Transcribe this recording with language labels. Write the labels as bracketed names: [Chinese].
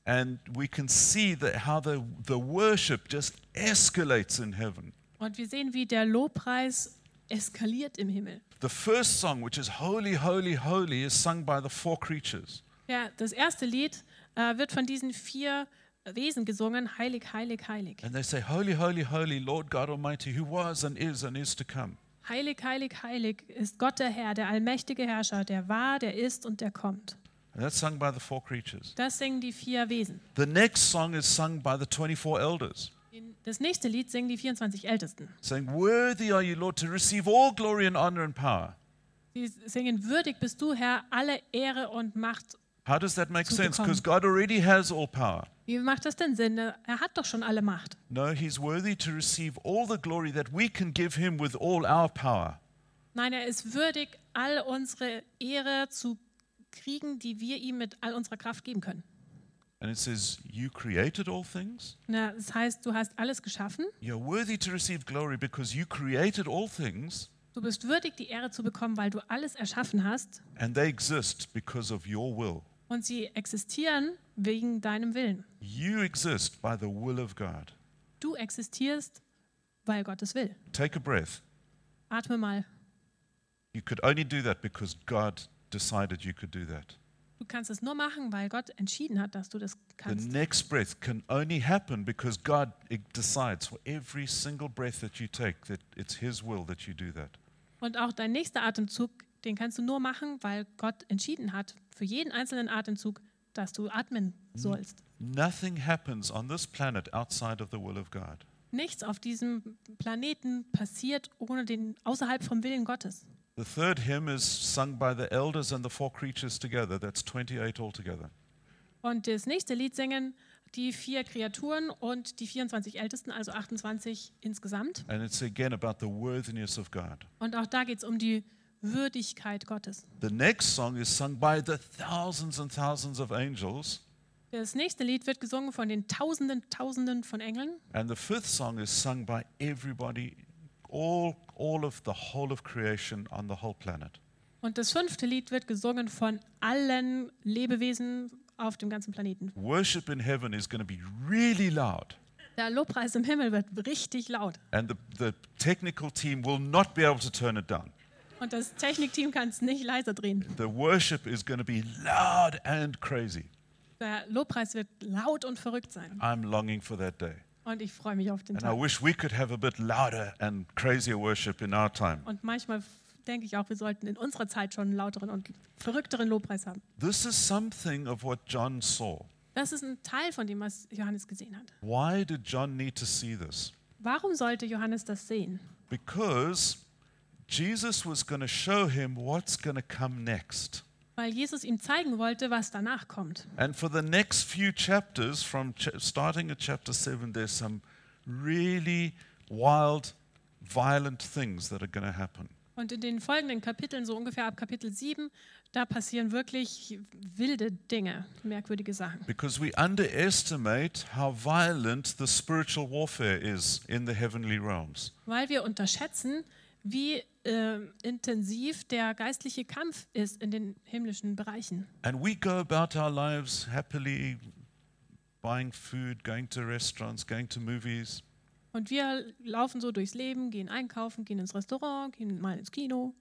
[English] And we can see that how the worship just escalates in heaven. [German] Und wir sehen, wie der Lobpreis eskaliert im Himmel. [English] The first song, which is holy, holy, holy, is sung by the four creatures. [German] Ja, das erste Lied wird von diesen vier Wesen gesungen, heilig, heilig, heilig. [English] And they say, holy, holy, holy, Lord God Almighty, who was and is to come. [German] Heilig, heilig, heilig ist Gott der Herr, der allmächtige Herrscher, der war, der ist und der kommt. [English] And that's sung by the four creatures. [German] Das singen die vier Wesen. [English] The next song is sung by the 24 elders. [German] Das nächste Lied singen die 24 Ältesten. [English] Saying, worthy are you, Lord, to receive all glory and honor and power. [German] Sie singen, würdig bist du, Herr, alle Ehre und Macht. [English] How does that make sense? Because God already has all power. [German] Wie macht das denn Sinn? Er hat doch schon alle Macht. [English] No, he's worthy to receive all the glory that we can give him with all our power. [German] Nein, er ist würdig, all unsere Ehre zu kriegen, die wir ihm mit all unserer Kraft geben können. [English] And it says, you created all things. [German] Na, das heißt, du hast alles geschaffen. [English] You're worthy to receive glory because you created all things. [German] Du bist würdig, die Ehre zu bekommen, weil du alles erschaffen hast. [English] And they exist because of your will. [German] Und sie existieren wegen deinem Willen. [English] You exist by the will of God. [German] Du existierst, weil Gott es will. [English] Take a breath. [German] Atme mal. [English] You could only do that because God decided you could do that. [German] Du kannst es nur machen, weil Gott entschieden hat, dass du das kannst. [English] The next breath can only happen because God decides for every single breath that you take that it's his will that you do that. [German] Und auch dein nächster Atemzug, den kannst du nur machen, weil Gott entschieden hat für jeden einzelnen Atemzug, dass du atmen sollst. [English] Nothing happens on this planet outside of the will of God. [German] Nichts auf diesem Planeten passiert ohne den außerhalb vom Willen Gottes. [English] The third hymn is sung by the elders and the four creatures together. That's 28 altogether. [German] Und das nächste Lied singen die vier Kreaturen und die 24 Ältesten, also 28 insgesamt. [English] And it's again about the worthiness of God. [German] Und auch da geht's um die Würdigkeit Gottes. [English] The next song is sung by the thousands and thousands of angels. [German] Das nächste Lied wird gesungen von den Tausenden, Tausenden von Engeln. [English] And the fifth song is sung by everybody. All of the whole of creation on the whole planet. [German] Und das fünfte Lied wird gesungen von allen Lebewesen auf dem ganzen Planeten. [English] Worship in heaven is going to be really loud. [German] Der Lobpreis im Himmel wird richtig laut. [English] And the technical team will not be able to turn it down. [German] Und das Technikteam kann es nicht leiser drehen. [English] The worship is going to be loud and crazy. [German] Der Lobpreis wird laut und verrückt sein. [English] I'm longing for that day. [German] Und ich freue mich auf den and Tag. [English] I wish we could have a bit louder and crazier worship in our time. [German] Und manchmal denke ich auch, wir sollten in unserer Zeit schon einen lauteren und verrückteren Lobpreis haben. [English] This is something of what John saw. [German] Das ist ein Teil von dem, was Johannes gesehen hat. [English] Why did John need to see this? [German] Warum sollte Johannes das sehen? [English] Because Jesus was going to show him what's going to come next. [German] Weil Jesus ihm zeigen wollte, was danach kommt. [English] And for the next few chapters, from starting at chapter 7, there's some really wild, violent things that are going to happen. [German] Und in den folgenden Kapiteln, so ungefähr ab Kapitel 7, da passieren wirklich wilde Dinge, merkwürdige Sachen. [English] Because we underestimate how violent the spiritual warfare is in the heavenly realms. [German] Weil wir unterschätzen, wie intensiv der geistliche Kampf ist in den himmlischen Bereichen. [English] And we go about our lives happily buying food, going to restaurants, going to movies. [German] Und wir laufen so durchs Leben, gehen einkaufen, gehen ins Restaurant, gehen mal ins Kino.